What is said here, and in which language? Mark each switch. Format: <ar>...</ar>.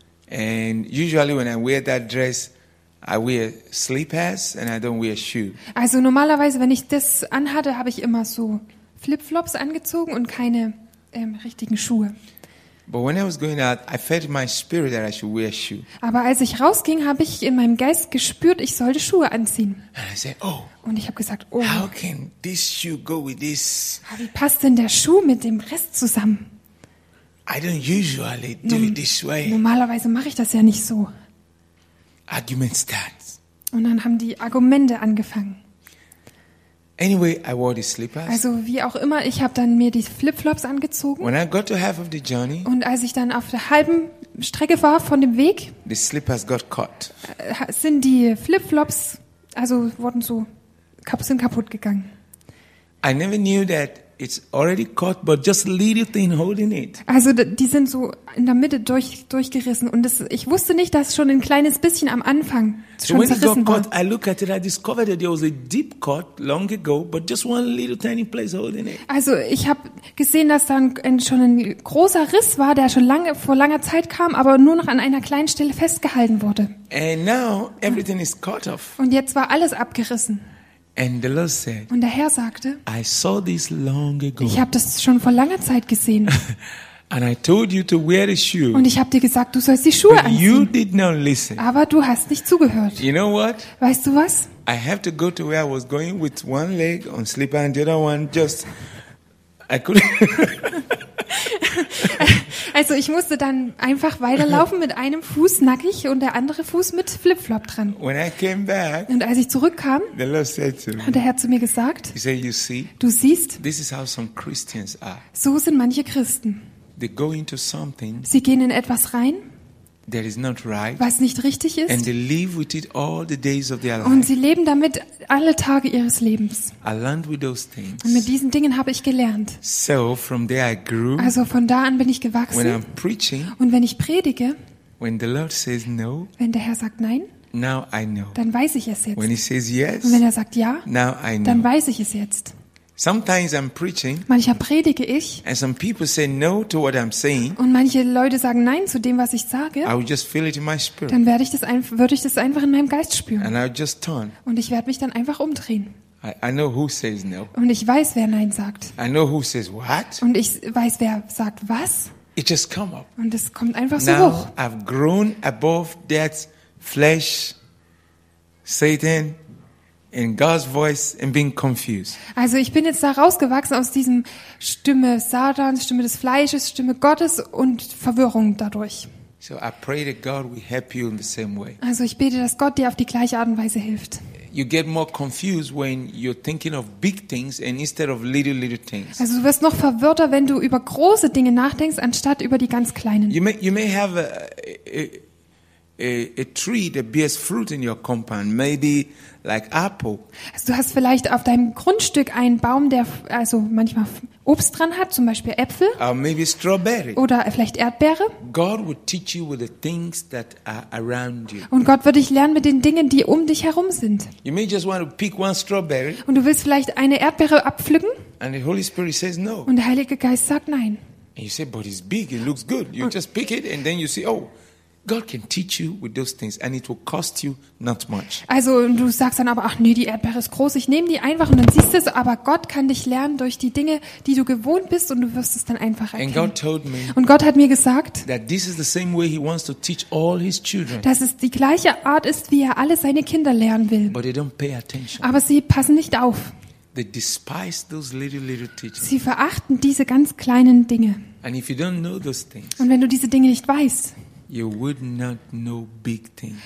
<en>And usually when I wear that dress, I wear slippers and I don't wear shoes.</en> <de>Also normalerweise, wenn ich das anhatte, habe ich immer so Flipflops angezogen und keine richtigen Schuhe.</de> <en>But when I was going out, I felt in my spirit that I should wear shoes.</en> <de>Aber als ich rausging, habe ich in meinem Geist gespürt, ich sollte Schuhe anziehen.</de> <en>And I said, oh.</en> <de>Und ich habe gesagt, oh.</de> <en>How can this shoe go with this?</en> <de>Wie passt denn der Schuh mit dem Rest zusammen?</de> <en>I don't usually do it this way.</en> <de>Normalerweise mache ich das ja nicht so.</de> <en>Argument starts.</en> <de>Und dann haben die Argumente angefangen.</de> <en>Anyway, I wore the slippers.</en> <de>Also wie auch immer, ich habe dann mir die Flipflops angezogen.</de> <en>When I got to half of the journey,</en> <de>und als ich dann auf der halben Strecke war von dem Weg,</de> <en>the slippers got caught.</en> <de>Sind die Flipflops, also wurden so, sind kaputt gegangen.</de> <en>I never knew that it's already caught, but just a little thing holding it.</en> <de>Also, die sind so in der Mitte durchgerissen und das, ich wusste nicht, dass schon ein kleines bisschen am Anfang schon zerrissen war.</de> <en>Caught, I look at it, I discovered that there was a deep cut long ago, but just one little tiny place holding it.</en> <de>Also, ich habe gesehen, dass da schon ein großer Riss war, der schon lange vor langer Zeit kam, aber nur noch an einer kleinen Stelle festgehalten wurde.</de> <en>And now everything is cut off.</en> <de>Und jetzt war alles abgerissen.</de> <en>And the Lord said,</en> <de>und der Herr sagte,</de> <en>I saw this long ago.</en> <de>Ich habe das schon vor langer Zeit gesehen.</de> <en>And I told you to wear the shoe.</en> <de>Und ich habe dir gesagt, du sollst die Schuhe anziehen.</de> <en>But you did not listen.</en> <de>Aber du hast nicht zugehört.</de> <en>You know what?</en> <de>Weißt du was?</de> <en>I have to go to where I was going with one leg on slipper and the other one just I couldn't.</en> <de>Also ich musste dann einfach weiterlaufen mit einem Fuß nackig und der andere Fuß mit Flipflop dran.</de> <en>When I came back,</en> <de>und als ich zurückkam,</de> <en>the Lord said to me,</en> <de>hat der Herr zu mir gesagt,</de> <en>he said, you see,</en> <de>du siehst,</de> <en>this is how some Christians are.</en> <de>So sind manche Christen.</de> <en>They go into something,</en> <de>sie gehen in etwas rein,</de> <en>that is not right,</en> <de>was nicht richtig ist,</de> <en>and they live with it all the days of their life.</en> <de>Und sie leben damit alle Tage ihres Lebens.</de> <en>I learned with those things.</en> <de>Und mit diesen Dingen habe ich gelernt.</de> <en>So from there I grew.</en> <de>Also von da an bin ich gewachsen.</de> <en>When I'm preaching,</en> <de>und wenn ich predige,</de> <en>when the Lord says no,</en> <de>wenn der Herr sagt nein,</de> <en>now I know.</en> <de>Dann weiß ich es jetzt.</de> <en>When he says yes,</en> <de>und wenn er sagt ja,</de> <en>now I know.</en> <de>Dann weiß ich es jetzt.</de> <en>Sometimes I'm preaching.</en> <de>Manchmal predige ich.</de> <en>And some people say no to what I'm saying.</en> <de>Und manche Leute sagen nein zu dem, was ich sage.</de> <en>I would just feel it in my spirit.</en> <de>Dann würde ich das einfach in meinem Geist spüren.</de> <en>And I would just turn.</en> <de>Und ich werde mich dann einfach umdrehen.</de> <en>I know who says no.</en> <de>Und ich weiß, wer nein sagt.</de> <en>I know who says what.</en> <de>Und ich weiß, wer sagt was.</de> <en>It just come up.</en> <de>Und es kommt einfach</de> <en>now</en> <de>so hoch.</de> <en>I've grown above that flesh, Satan. In God's voice and being confused.</en> <de>Also ich bin jetzt da rausgewachsen aus diesem Stimme Satans, Stimme des Fleisches, Stimme Gottes und Verwirrung dadurch.</de> <en>So I pray that God will help you in the same way.</en> <de>Also ich bete, dass Gott dir auf die gleiche Art und Weise hilft.</de> <en>You get more confused when you're thinking of big things and instead of little things.</en> <de>Also du wirst noch verwirrter, wenn du über große Dinge nachdenkst anstatt über die ganz kleinen.</de> <en>You may have a tree that bears fruit in your compound, maybe like apple.</en> <de>Also du hast vielleicht auf deinem Grundstück einen Baum, der also manchmal Obst dran hat, zum Beispiel Äpfel.</de> <en>Or maybe strawberry.</en> <de>Oder vielleicht Erdbeere.</de> <en>God would teach you with the things that are around you.</en> <de>Und Gott wird dich lernen mit den Dingen, die um dich herum sind.</de> <en>You may just want to pick one strawberry.</en> <de>Und du willst vielleicht eine Erdbeere abpflücken.</de> <en>And the Holy Spirit says no.</en> <de>Und der Heilige Geist sagt nein.</de> <en>And you say, but it's big. It looks good. You just pick it and then you see, oh. God can teach you with those things and it will cost you not much.</en> <de>Also du sagst dann aber, ach nee, die Erdbeere ist groß, ich nehme die einfach und dann siehst du es, aber Gott kann dich lernen durch die Dinge, die du gewohnt bist und du wirst es dann einfach erkennen.</de> <en>And God told me,</en> <de>und Gott hat mir gesagt,</de> <en>that this is the same way he wants to teach all his children.</en> <de>Dass es die gleiche Art ist, wie er alle seine Kinder lernen will.</de> <en>But they don't pay attention.</en> <de>Aber sie passen nicht auf.</de> <en>They despise those little teachings.</en> <de>Sie verachten diese ganz kleinen Dinge.</de> <en>And if you don't know those things,</en> <de>und wenn du diese Dinge nicht weißt,</de> <en>you would not know big things.</en>